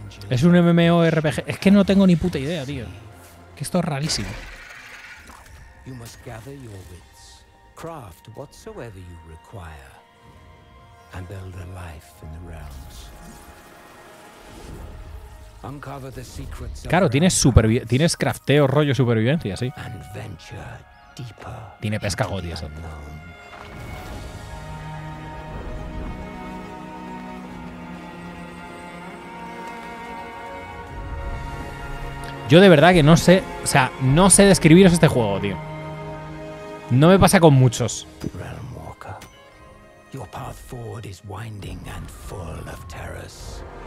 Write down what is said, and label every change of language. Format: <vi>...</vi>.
<es>Es un MMORPG. Es que no tengo ni puta idea, tío. Que esto es rarísimo.</es> <en>You must gather your wits, craft whatsoever you require, and build a life in the realms. Uncover the secrets.</en> <es>Claro, tienes tienes crafteo rollo supervivencia, sí.</es> <en>And venture deeper.</en> <es>Tiene pesca godi eso. Yo de verdad que no sé, o sea, no sé describiros este juego, tío. No me pasa con muchos. Realm Walker.</es> <en>Your path forward is winding and full of terrors.</en>